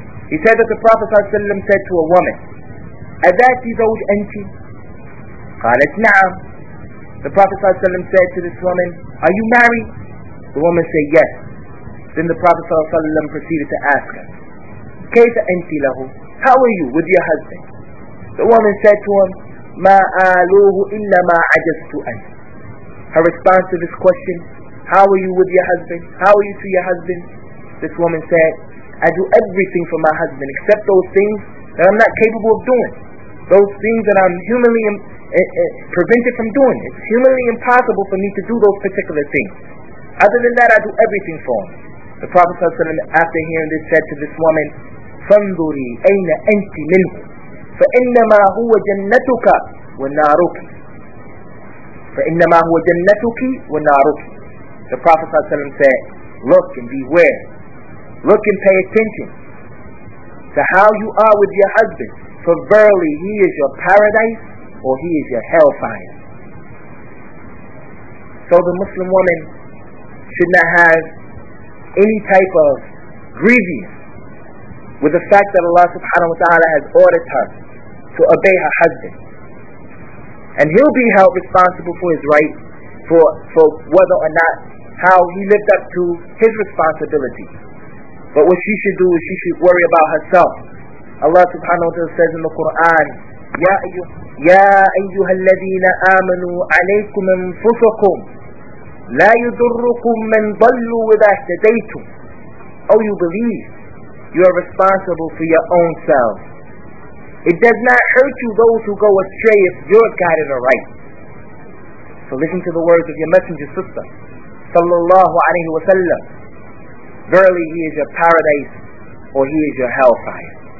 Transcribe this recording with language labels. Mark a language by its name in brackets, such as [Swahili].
[English] He said that the Prophet ﷺ said to a woman, [Arabic] أَذَاتِ زَوْجْ أَنْتِ؟ قَالَتْ نَعَمْ. [English] The Prophet ﷺ said to this woman, are you married? The woman said, yes. Then the Prophet ﷺ proceeded to ask her, [Arabic] كَيْفَ أَنْتِ لَهُ? [English] How are you with your husband? The woman said to him, [Arabic] مَا آلُوهُ إِلَّا مَا عَجَزْتُ أَنْ. [English] Her response to this question, how are you with your husband? How are you to your husband? This woman said, I do everything for my husband except those things that I'm not capable of doing. Those things that I'm humanly prevented from doing. It's humanly impossible for me to do those particular things. Other than that, I do everything for him. The Prophet ﷺ, after hearing this, said to this woman, [Arabic] فَنْظُرِي أَيْنَ أَنْتِ مِنْهُ فَإِنَّمَا هُوَ جَنَّتُكَ وَنَارُكِ فَإِنَّمَا هُوَ جَنَّتُكِ وَنَارُكِ. [English] The Prophet ﷺ said, look and beware. Look and pay attention to how you are with your husband. For verily, he is your paradise or he is your hellfire. So the Muslim woman should not have any type of grievance with the fact that Allah subhanahu wa ta'ala has ordered her to obey her husband. And he'll be held responsible for his right, for whether or not how he lived up to his responsibility. But what she should do is she should worry about herself. Allah subhanahu wa ta'ala says in the Quran, [Arabic] يَا أَيُّهَا الَّذِينَ آمَنُوا عَلَيْكُمْ أَنفُسَكُمْ لَا يُضُرُّكُمْ مَنْ ضَلُّوا إِذَا اهْتَدَيْتُمْ. [English] Oh, you believe, you are responsible for your own self. It does not hurt you, those who go astray, if you're guided aright. So listen to the words of your messenger sister, sallallahu alayhi wa sallam. Verily, he is your paradise, or he is your hellfire.